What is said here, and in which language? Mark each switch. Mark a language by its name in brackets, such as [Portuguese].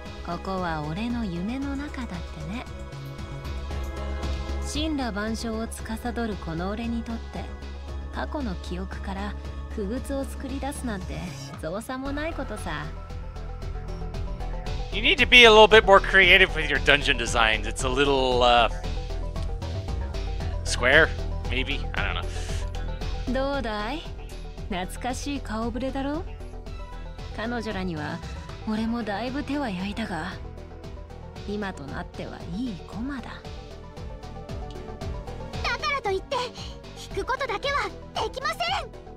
[Japanese] ここは俺の夢の中だってね。神羅万象を司るこの俺にとって、過去の記憶から。傀儡を作り出すなんて造作もないことさ。 [English] You need to be a little bit more creative with your dungeon designs. It's a little, square, maybe? I don't know. [Japanese] どうだい？懐かしい顔ぶれだろ？彼女らには俺もだいぶ手は焼いたが、今となってはいい駒だ。だからといって、引くことだけはできません！